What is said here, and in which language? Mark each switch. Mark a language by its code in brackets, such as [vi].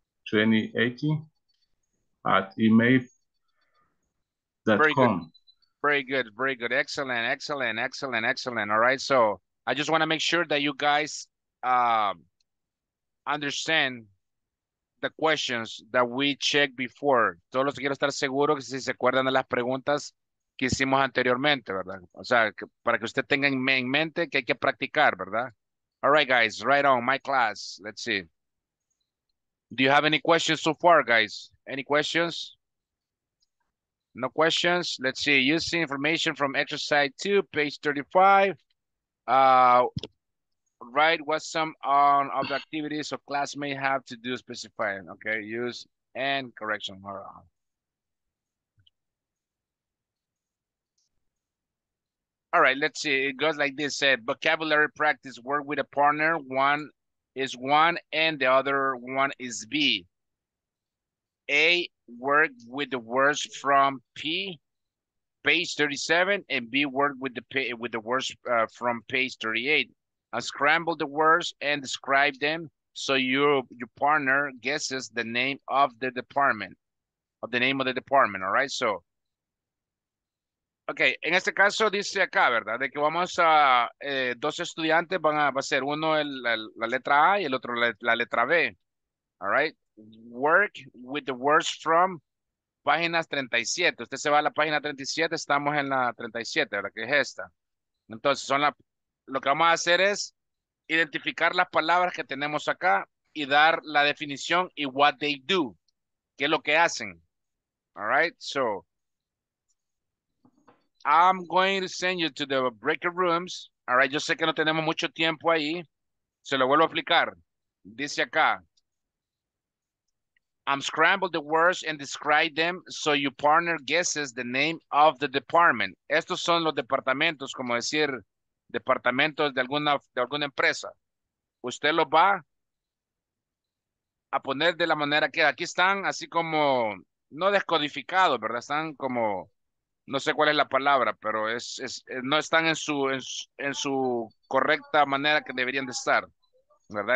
[en] 2018 at email.com. Very good. Excellent. All right. So I just want to make sure that you guys understand the questions that we checked before. [es] Todos los quiero estar seguro que si se acuerdan de las preguntas que hicimos anteriormente, ¿verdad? O sea, que, para que usted tenga en mente que hay que practicar, ¿verdad? [en] All right, guys. Right on. My class. Let's see. Do you have any questions so far, guys? Any questions? No questions? Let's see. Using information from exercise 2, page 35. Write what some of the activities of class may have to do specifying. Okay, use and correction. All right, let's see. It goes like this. Vocabulary practice. Work with a partner. One is one and the other one is B. A, work with the words from P, page 37, and B, work with the words from page 38. Unscramble the words and describe them so your partner guesses the name of the department, all right? [es] So, okay, en este caso dice acá, ¿verdad? De que vamos a, dos estudiantes van a, va a ser uno la letra A y el otro la letra B, [en] all right? Work with the words from páginas 37. [es] Usted se va a la página 37, estamos en la 37, ¿verdad? Que es esta. Entonces, lo que vamos a hacer es identificar las palabras que tenemos acá y dar la definición y [en] what they do, [es] qué es lo que hacen, [en] all right? So, I'm going to send you to the breakout rooms. All right, [es] yo sé que no tenemos mucho tiempo ahí. Se lo vuelvo a explicar. [en] Dice acá, I'm scrambling the words and describe them so your partner guesses the name of the department. [es] Estos son los departamentos, como decir, departamentos de alguna empresa. Usted los va a poner de la manera que aquí están, así como, no descodificados, ¿verdad? Están como, no sé cuál es la palabra, pero no están en su correcta manera que deberían de estar, ¿verdad?